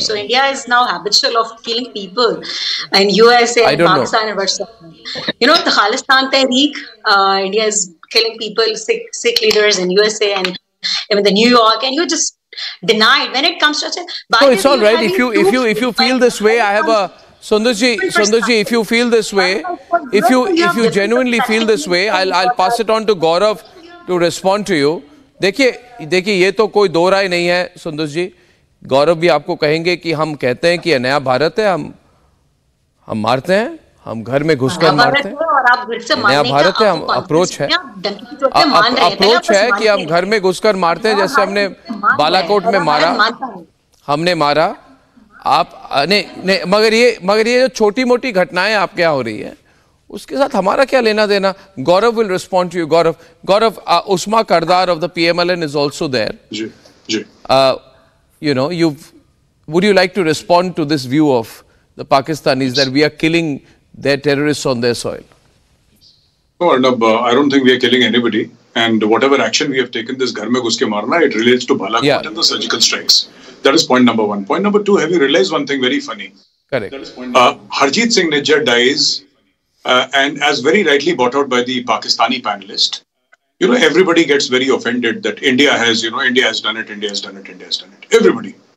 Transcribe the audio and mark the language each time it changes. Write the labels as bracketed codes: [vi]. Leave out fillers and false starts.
[en] So India is now habitual of killing people, and USA and Pakistan and whatsoever. You know, the Khalistan Tehreek, India is killing people, Sikh leaders in USA and even the New York, and you just deny it when it comes to such a. So it's all right if you feel this way. I have a Sundarji, if you feel this way, if you genuinely feel this way, I'll pass it on to Gaurav to respond to you. [hi] देखिए ये तो कोई दो राय नहीं है Sundarji. Gaurav भी आपको कहेंगे कि हम कहते हैं कि यह नया भारत है, हम मारते हैं, हम घर में घुसकर मारते हैं. नया भारत है, हम अप्रोच है, अप्रोच है कि हम घर में घुसकर मारते हैं, जैसे हमने बालाकोट में मारा, हमने मारा. आप मगर ये जो छोटी मोटी घटनाएं आप क्या हो रही है उसके साथ हमारा क्या लेना देना. [en] Gaurav will respond to you. Gaurav उस्मा करदार of the PMLN is also there. You know, you would you like to respond to this view of the Pakistanis that we are killing their terrorist on their soil? No, Arnab, I don't think we are killing anybody. And whatever action we have taken, this [hi] ghar mein ghuske marna, [en] it relates to Balakot and the surgical strikes. That is point number one. Point number two, have you realized one thing very funny? Correct. Harjeet Singh Nijjar dies, and as very rightly brought out by the Pakistani panelist, you know, everybody gets very offended that India has, you know, India has done it. Everybody.